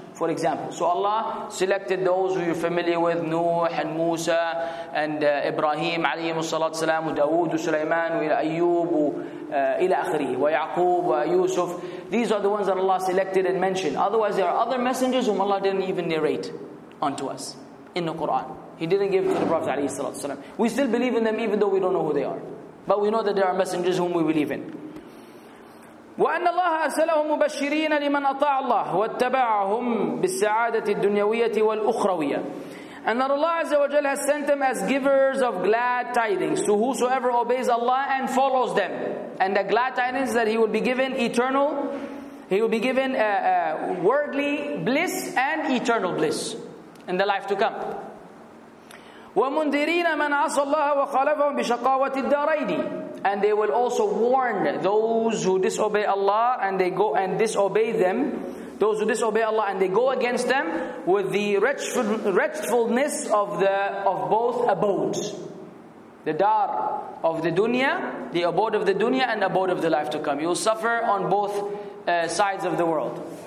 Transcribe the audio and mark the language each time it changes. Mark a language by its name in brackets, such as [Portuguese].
[English] For example, so Allah selected those who you're familiar with, Nuh and Musa and Ibrahim alayhi salatu salam, Dawood, Sulaiman, Ayyub, ila akhri, wa Yaqub, wa Yusuf. These are the ones that Allah selected and mentioned. Otherwise, there are other messengers whom Allah didn't even narrate unto us in the Quran. He didn't give to the Prophet alayhi salatu salam. We still believe in them even though we don't know who they are. But we know that there are messengers whom we believe in. [Arabic] وأن الله أرسلهم مبشرين لمن أطاع الله واتبعهم بالسعادة الدنيوية والأخروية. [English] And that Allah Azza wa Jalla has sent them as givers of glad tidings to whosoever obeys Allah and follows them. And the glad tidings that he will be given eternal, he will be given worldly bliss and eternal bliss in the life to come. [Arabic] ومنذرين من عصى الله وخالفهم بشقاوة الدارين. [English] And they will also warn those who disobey Allah and they go and disobey them. Those who disobey Allah and they go against them with the wretchedness of the of both abodes. The dar of the dunya, the abode of the dunya and abode of the life to come. You will suffer on both sides of the world.